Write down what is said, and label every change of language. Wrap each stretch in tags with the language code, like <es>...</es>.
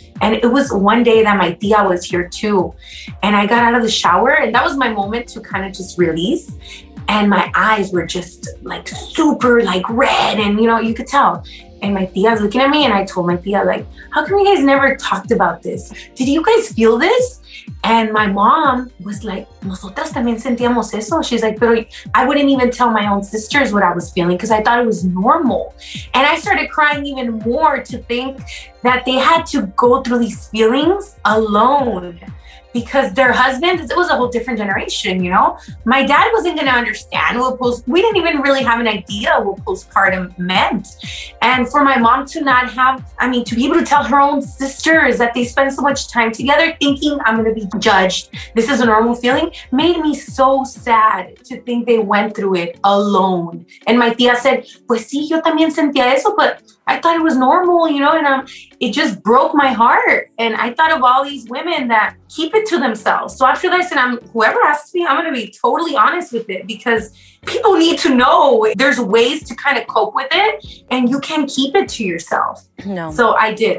<en>And it was one day that my tia was here too. And I got out of the shower and that was my moment to kind of just release. And my eyes were just like super like red and you know, you could tell. And my tia's looking at me, and I told my tia, like, how come you guys never talked about this? Did you guys feel this? And my mom was like,</en> <es>nosotras también sentíamos eso.</es> <en>She's like, pero I wouldn't even tell my own sisters what I was feeling because I thought it was normal. And I started crying even more to think that they had to go through these feelings alone. Because their husbands, it was a whole different generation, you know? My dad wasn't gonna understand what we didn't even really have an idea what postpartum meant. And for my mom to not have, I mean, to be able to tell her own sisters that they spend so much time together thinking I'm gonna be judged, this is a normal feeling, made me so sad to think they went through it alone. And my tia said,</en> <es>pues sí, yo también sentía eso,</es> <en>but I thought it was normal, you know? And it just broke my heart. And I thought of all these women that keep it to themselves. So after this, and whoever asks me, I'm gonna be totally honest with it, because people need to know there's ways to kind of cope with it, and you can keep it to yourself. No. So I did.</en>